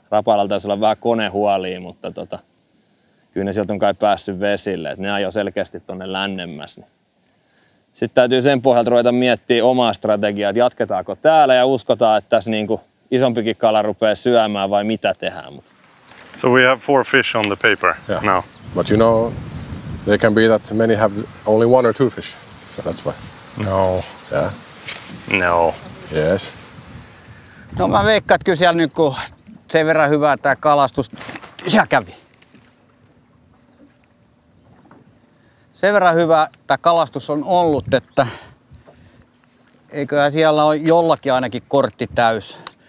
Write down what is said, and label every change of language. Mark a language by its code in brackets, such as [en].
[fi] Rapalalla taisi olla vähän konehuolia, mutta kyllä ne sieltä on kai päässyt vesille, että ne ajoi selkeästi tuonne lännemmäs. Sitten täytyy sen pohjalta ruveta miettimään omaa strategiaa, että jatketaanko täällä ja uskotaan, että tässä niinku isompikin kala rupeaa syömään vai mitä tehdään. Mut. [en] So we have 4 fish on the paper now. But you know, there can be that many have only 1 or 2 fish, so that's why. No. Yeah. No. Yes. [fi] No mä veikkaan, että kyllä siellä nyt kun sen verran hyvää tämä kalastus, siellä kävi. Sen verran hyvä tämä kalastus on ollut, että eiköhän siellä ole jollakin ainakin kortti täys.